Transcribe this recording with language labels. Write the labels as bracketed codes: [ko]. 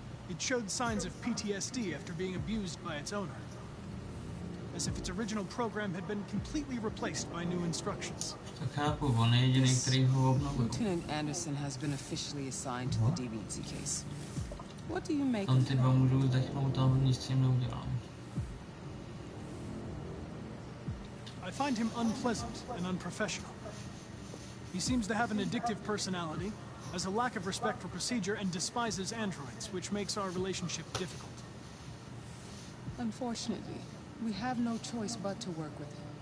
[en] It showed signs of PTSD after being abused by its owner. As if its original program had been completely replaced by new instructions. Lieutenant Anderson has been officially assigned to the DBC case. What do you make of it? [cs] Tam ty dva můžou zdechnout, ale nic s tím neudělám. [en] I find him unpleasant and unprofessional. He seems to have an addictive personality, has a lack of respect for procedure, and despises androids, which makes our relationship difficult. Unfortunately, we have no choice but to work with him.